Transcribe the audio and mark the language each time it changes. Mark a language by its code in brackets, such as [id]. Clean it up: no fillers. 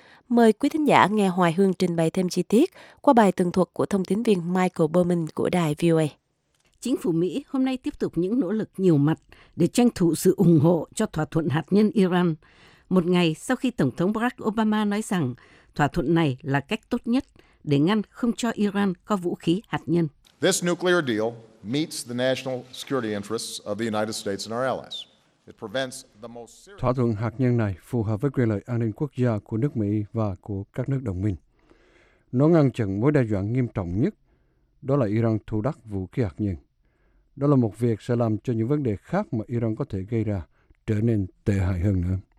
[vi] Mời quý thính giả nghe Hoài Hương trình bày thêm chi tiết qua bài tường thuật của thông tín viên Michael Berman của đài VOA. Chính phủ Mỹ hôm nay tiếp tục những nỗ lực nhiều mặt để tranh thủ sự ủng hộ cho thỏa thuận hạt nhân Iran, một ngày sau khi Tổng thống Barack Obama nói rằng thỏa thuận này là cách tốt nhất để ngăn không cho Iran có vũ khí hạt nhân. [en] This nuclear deal meets the national security interests of the United States and our allies. It prevents the most serious. [vi] Thỏa thuận hạt nhân này phù hợp với quyền lợi an ninh quốc gia của nước Mỹ và của các nước đồng minh. Nó ngăn chặn mối đe dọa nghiêm trọng nhất, đó là Iran thu đắc vũ khí hạt nhân. Đó là một việc sẽ làm cho những vấn đề khác mà Iran có thể gây ra trở nên tệ hại hơn nữa.